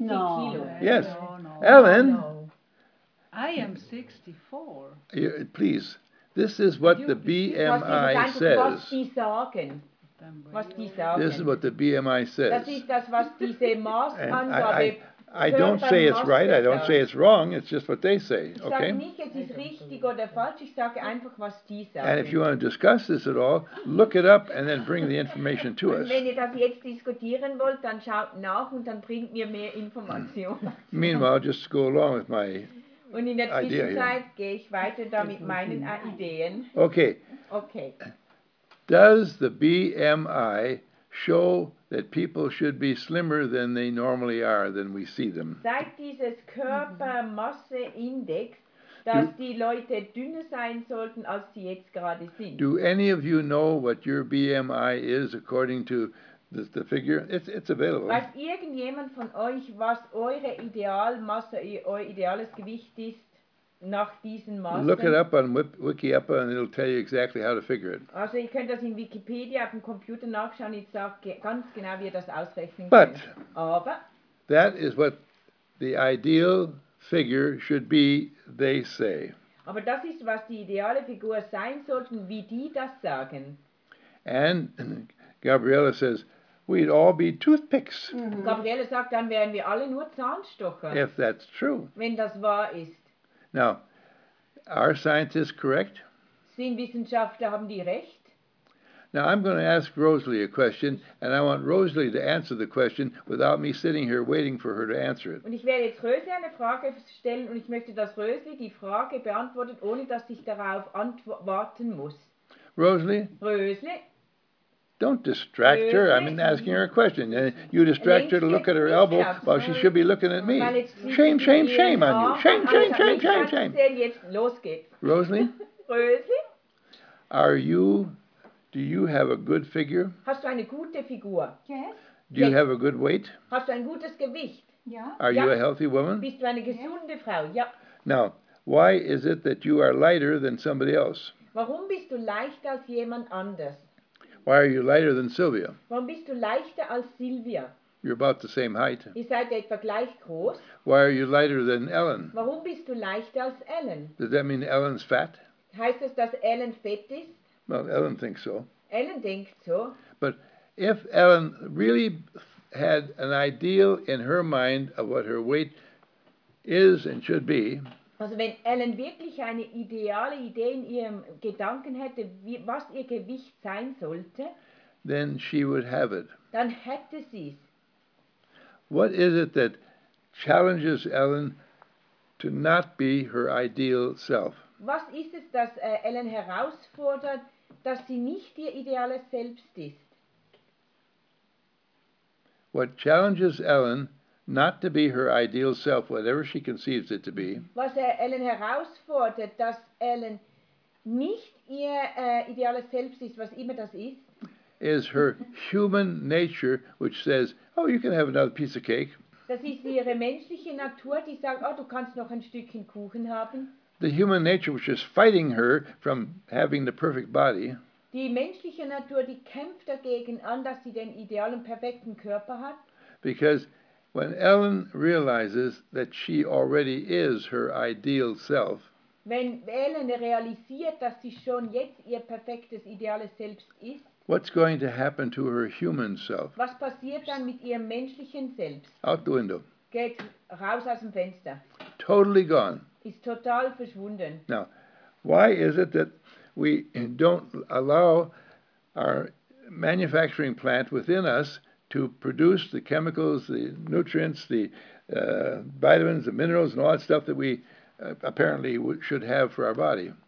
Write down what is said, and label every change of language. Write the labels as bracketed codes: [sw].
[en] no. Kilo. Yes. No, no, Ellen. No. I am 64. You, please. This is what the BMI says. [de] Was die sagen. Was die sagen. [en] This is what the BMI says. [de] Das ist das, was diese Maßangabe [en] I don't say it's right, I don't say it's wrong, it's just what they say, okay? [de] Ich sage nicht, es ist richtig oder falsch, ich sage einfach, was die sagen. [en] And if you want to discuss this at all, look it up and then bring the information to us. [de] Wenn ihr das jetzt diskutieren wollt, dann schaut nach und dann bringt mir mehr Information. [en] Meanwhile, just go along with my [de] Und in der Zwischenzeit gehe ich weiter da mit meinen Ideen. [en] Okay. Okay. Does the BMI show that people should be slimmer than they normally are than we see them? [de] Zeigt dieses Körpermasseindex, dass die Leute dünner sein sollten, als sie jetzt gerade sind? [en] Do any of you know what your BMI is according to the figure? It's available. [de] Weiß irgendjemand von euch, was eure Idealmasse, euer ideales Gewicht ist? Nach diesen Maßen. [en] Look it up on Wikiupa and it'll tell you exactly how to figure it. [de] Also, ihr könnt das in Wikipedia auf dem Computer nachschauen. Ich sage ganz genau, wie ihr das ausrechnen könnt. [en] But [de] Aber [en] that is what the ideal figure should be, they say. [de] Aber das ist, was die ideale Figur sein sollten, wie die das sagen. [en] And Gabriella says, we'd all be toothpicks. Mm-hmm. [de] Gabriella sagt, dann wären wir alle nur Zahnstocher. [en] If that's true. [de] Wenn das wahr ist. [en] Now, are scientists correct? [de] Sind Wissenschaftler, haben die recht? [en] Now, I'm going to ask Rosalie a question, and I want Rosalie to answer the question without me sitting here waiting for her to answer it. [de] Und ich werde jetzt Rosalie eine Frage stellen, und ich möchte, dass Rosalie die Frage beantwortet, ohne dass ich darauf warten muss. [en] Rosalie? Rosalie? Don't distract her. I'm asking her a question. You distract her to look at her elbow while she should be looking at me. Shame, shame, shame on you. Shame, shame, shame, shame, shame. Rosalie? Rosalie? Do you have a good figure? [de] Hast du eine gute Figur? [en] Yes. Do you have a good weight? [de] Hast du ein gutes Gewicht? Ja. [en] Are you a healthy woman? [de] Bist du eine gesunde Frau? Ja. [en] Now, why is it that you are lighter than somebody else? [de] Warum bist du leichter als jemand anders? [en] Why are you lighter than Sylvia? [de] Warum bist du leichter als Sylvia? [en] You're about the same height. [de] Ihr seid etwa gleich groß. [en] Why are you lighter than Ellen? [de] Warum bist du leichter als Ellen? [en] Does that mean Ellen's fat? [de] Heißt das, dass Ellen fett ist? [en] Well, Ellen thinks so. [de] Ellen denkt so. [en] But if Ellen really had an ideal in her mind of what her weight is and should be. [de] Also wenn Ellen wirklich eine ideale Idee in ihrem Gedanken hätte, wie, was ihr Gewicht sein sollte, [en] then she would have it. [de] Dann hätte sie's. [en] What is it that challenges Ellen to not be her ideal self? [de] Was ist es, das Ellen herausfordert, dass sie nicht ihr ideales Selbst ist? [en] What challenges Ellen not to be her ideal self, whatever she conceives it to be. [de] Was Ellen herausfordert, dass Ellen nicht ihr ideales Selbst ist, was immer das ist. [en] Is her human nature, which says, oh, you can have another piece of cake. [de] Das ist ihre menschliche Natur, die sagt, oh, du kannst noch ein Stückchen Kuchen haben. [en] The human nature, which is fighting her from having the perfect body. [de] Die menschliche Natur, die kämpft dagegen an, dass sie den idealen, perfekten Körper hat. [en] Because when Ellen realizes that she already is her ideal self, [de] wenn Ellen realisiert, dass sie schon jetzt ihr perfektes ideales Selbst ist, [en] what's going to happen to her human self? [de] Was passiert dann mit ihrem menschlichen Selbst? [en] Out the window. [de] Geht raus aus dem Fenster. [en] Totally gone. [de] Ist total verschwunden. [en] Now, why is it that we don't allow our manufacturing plant within us to produce the chemicals, the nutrients, the vitamins, the minerals, and all that stuff that we apparently should have for our body?